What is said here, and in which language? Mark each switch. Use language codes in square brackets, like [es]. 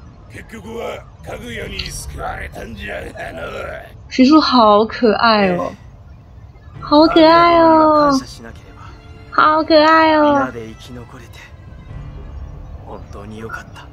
[ja] 結局はかぐやに救われたんじゃがの。 [zh] 徐庶好可爱哦，好可爱哦，好可爱哦。 [ja] みんなで生き残れて本当に良かった。